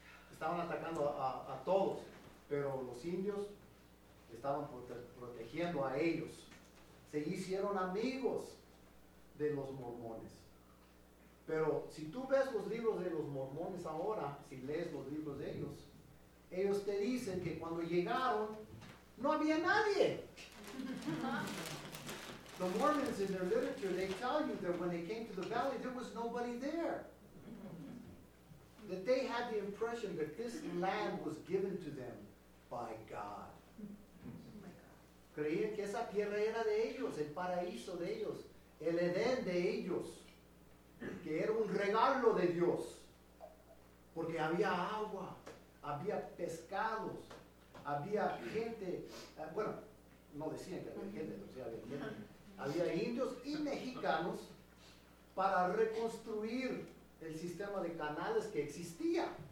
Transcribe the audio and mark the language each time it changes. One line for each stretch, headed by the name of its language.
Spanish: Estaban atacando a todos, pero los indios estaban protegiendo a ellos. Se hicieron amigos de los mormones. Pero si tú ves los libros de los mormones ahora, si lees los libros de ellos, ellos te dicen que cuando llegaron, no había nadie.
English: The Mormons in their literature, they tell you that when they came to the valley, there was nobody there. That they had the impression that this land was given to them by God.
Spanish: Creían que esa tierra era de ellos, el paraíso de ellos, el Edén de ellos, que era un regalo de Dios. Porque había agua, había pescados, había gente. Bueno, no decían que había gente, pero sí había gente. Había indios y mexicanos para reconstruir el sistema de canales que existía.